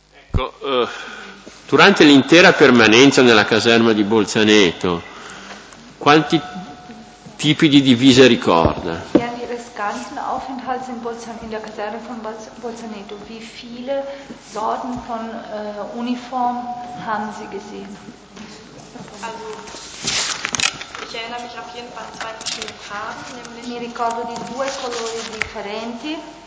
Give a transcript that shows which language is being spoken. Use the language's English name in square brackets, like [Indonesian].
[Italian] Ecco, durante l'intera permanenza nella caserma di Bolzaneto, quanti tipi di divise ricorda? [German] Ganzen Aufenthalts in der Kaserne von Bolzaneto. Wie viele Sorten von Uniform haben Sie gesehen? Also, ich erinnere mich auf jeden Fall an zwei verschiedene Farben, nämlich. [Italian] Mi ricordo di due colori differenti.